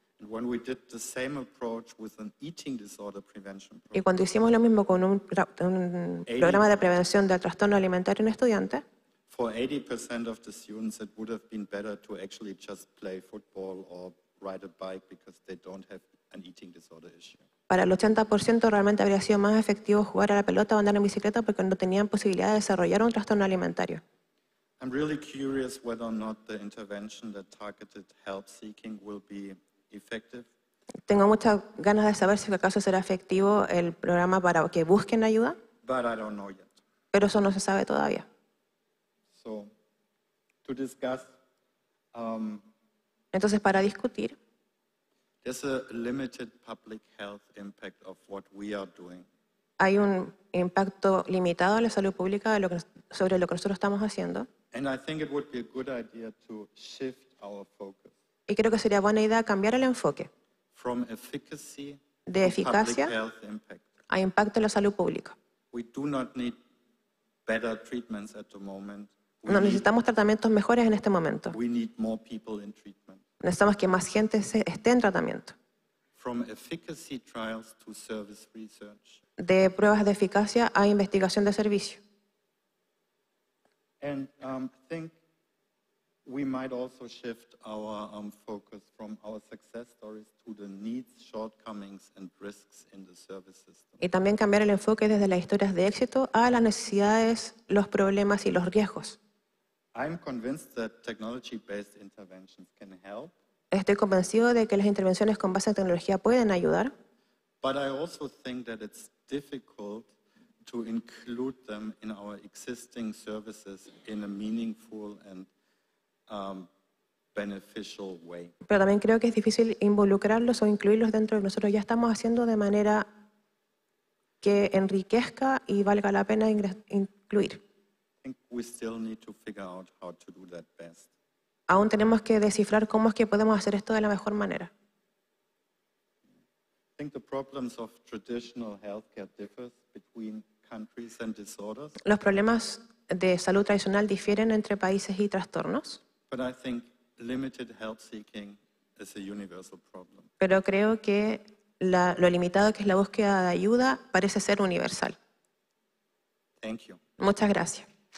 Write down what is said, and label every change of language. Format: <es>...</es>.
<en>When we did the same approach with an eating disorder prevention</en> <es>program, y cuando hicimos lo mismo con un programa de prevención del trastorno alimentario en estudiantes,</es> <en>for 80% of the students, it would have been better to actually just play football or ride a bike because they don't have an eating disorder issue.</en> <es>Para el 80% realmente habría sido más efectivo jugar a la pelota o andar en bicicleta porque no tenían posibilidad de desarrollar un trastorno alimentario.</es> <en>I'm really curious whether or not the intervention that targeted help seeking will be effective.</en> <es>Tengo muchas ganas de saber si acaso será efectivo el programa para que busquen ayuda.</es> <en>But I don't know yet.</en> <es>Pero eso no se sabe todavía.</es> <en>So, to discuss,</en> <es>entonces, para discutir,</es> <en>there's a limited public health impact of what we are doing.</en> <es>Hay un impacto limitado a la salud pública de lo que, sobre lo que nosotros estamos haciendo.</es> <en>And I think it would be a good idea to shift our focus.</en> <es>Y creo que sería buena idea cambiar el enfoque.</es> <en>From efficacy</en> <es>de eficacia</es> <en>to public health impact.</en> <es>A impacto en la salud pública.</es> <en>We do not need better treatments at the moment.</en> <es>No necesitamos tratamientos mejores en este momento.</es> <en>We need more people in treatment.</en> <es>Necesitamos que más gente esté en tratamiento.</es> <en>From efficacy trials to service research.</en> <es>De pruebas de eficacia a investigación de servicio.</es> <en>And I think we might also shift our focus from our success stories to the needs, shortcomings and risks in the service system.</en> <es>Y también cambiar el enfoque desde las historias de éxito a las necesidades, los problemas y los riesgos.</es> <en>I'm convinced that technology-based interventions can help.</en> <es>Estoy convencido de que las intervenciones con base en tecnología pueden ayudar.</es> <en>But I also think that it's difficult to include them in our existing services in a meaningful and beneficial way.</en> <es>Pero también creo que es difícil involucrarlos o incluirlos dentro de nosotros. Ya estamos haciendo de manera que enriquezca y valga la pena incluir.</es> <en>I think we still need to figure out how to do that best.</en> <es>Aún tenemos que descifrar cómo es que podemos hacer esto de la mejor manera.</es> <en>I think the problems of traditional healthcare differ between countries and disorders.</en> <es>Los problemas de salud tradicional difieren entre países y trastornos.</es> <en>But I think limited help seeking is a universal problem.</en> <es>Pero creo que lo limitado que es la búsqueda de ayuda parece ser universal.</es> <en>Thank you.</en> <es>Muchas gracias.</es>